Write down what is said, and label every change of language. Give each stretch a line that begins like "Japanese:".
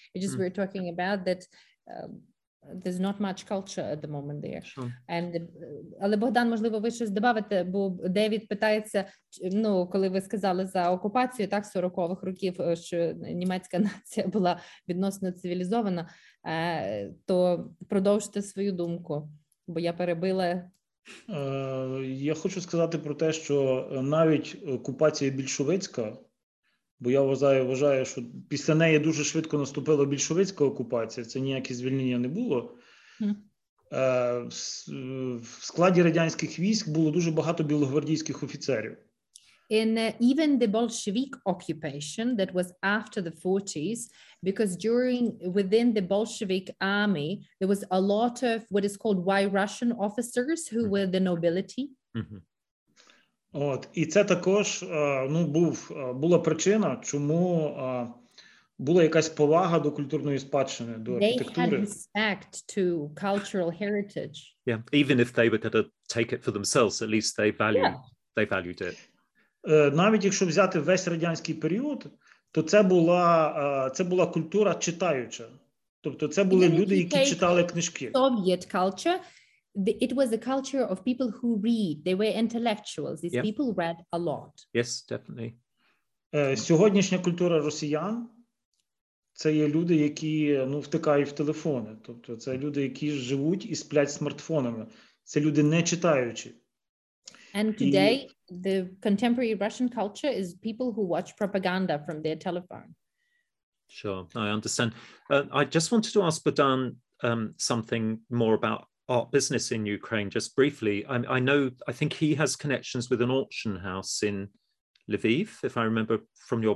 English: It's just we're talking about that there's not much culture at the moment there. Sure.
Ukrainian: And але Богдан, можливо, ви щось добавите, бо Девід питається, коли ви сказали за окупацію, так, 40-х років, що німецька нація була відносно цивілізована, то продовжте свою думку, бо я перебила. Я хочу сказати про те, що навіть окупація більшовицька, бо я вважаю, що після неї дуже швидко наступила більшовицька окупація, це ніяке звільнення не було. В складі радянських військ було дуже багато білогвардійських офіцерів.
English: In even the Bolshevik occupation that was after the 40s, because within the Bolshevik army, there was a lot of what is called White Russian officers who were the nobility.
Ukrainian: От, і це також була причина, чому була якась повага до культурної спадщини, до архітектури.
English: They had respect to cultural heritage. Yeah, even if they were going to take it for themselves, at least they valued it.
Ukrainian: Навіть якщо взяти весь радянський період, то це була культура читаюча. Тобто це були люди, які читали книжки.
English: Soviet culture. It was a culture of people who read. They were intellectuals. These people read a lot. Yes, definitely.
Ukrainian: Сьогоднішня культура росіян – це є люди, які втикають в телефони. Тобто це люди, які живуть і сплять смартфонами. Це люди не читаючі.
English: And today, the contemporary Russian culture is people who watch propaganda from their telephone. Sure, I understand. I just wanted to ask Bohdan something more about art business in Ukraine, just briefly. I think he has connections with an auction house in Lviv, if I remember from your...